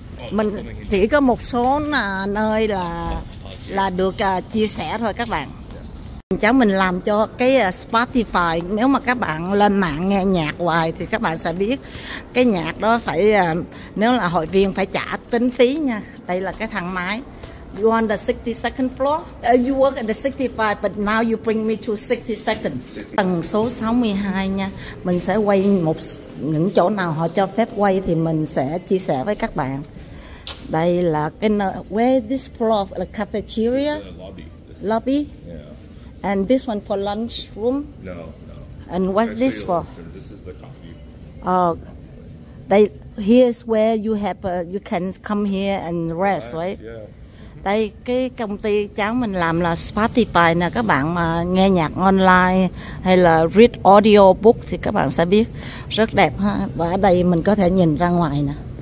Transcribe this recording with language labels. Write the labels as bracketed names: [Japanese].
[Vietnamese] Mình chỉ có một số nơi là được chia sẻ thôi các bạn. Cháu mình làm cho cái Spotify, nếu mà các bạn lên mạng nghe nhạc hoài thì các bạn sẽ biết cái nhạc đó phải, nếu là hội viên phải trả tính phí nha. Đây là cái thang máy. [English] You on the 62nd floor? You work at the 65, but now you bring me to 62nd. [Vietnamese] Tầng số 62 nha. Mình sẽ quay một những chỗ nào họ cho phép quay thì mình sẽ chia sẻ với các bạn. Đây là cái nơi, [English] where this floor, the cafeteria? Lobby. Yeah. And this one for lunch room? No. And what is this for? This is the coffee. They here's where you have you can come here and rest, right? Yeah. [Vietnamese] Đây cái công ty cháu mình làm là Spotify nè các bạn, mà nghe nhạc online hay là [English] read audio book [Vietnamese] thì các bạn sẽ biết rất đẹp ha. Và ở đây mình có thể nhìn ra ngoài nè.